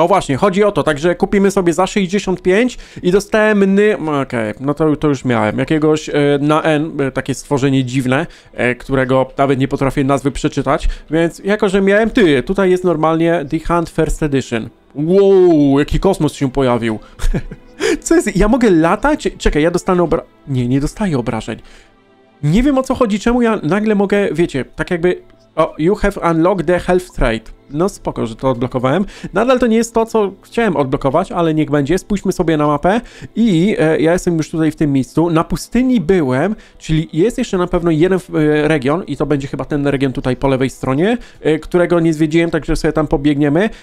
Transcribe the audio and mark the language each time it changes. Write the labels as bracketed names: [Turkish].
[Polish] O właśnie, chodzi o to, także kupimy sobie za 65 i dostałem to już miałem, jakiegoś na N, takie stworzenie dziwne, którego nawet nie potrafię nazwy przeczytać, więc jako, że miałem, ty, tutaj jest normalnie The Hunt First Edition. Wow, jaki kosmos się pojawił. Co jest, ja mogę latać? Czekaj, ja dostanę nie dostaję obrażeń. Nie wiem, o co chodzi, czemu ja nagle mogę, wiecie, tak jakby... [English] O, you have unlocked the health trait. [Polish] No spoko, że to odblokowałem. Nadal to nie jest to, co chciałem odblokować, ale niech będzie. Spójrzmy sobie na mapę i ja jestem już tutaj w tym miejscu. Na pustyni byłem, czyli jest jeszcze na pewno jeden region i to będzie chyba ten region tutaj po lewej stronie, którego nie zwiedziłem, także sobie tam pobiegniemy.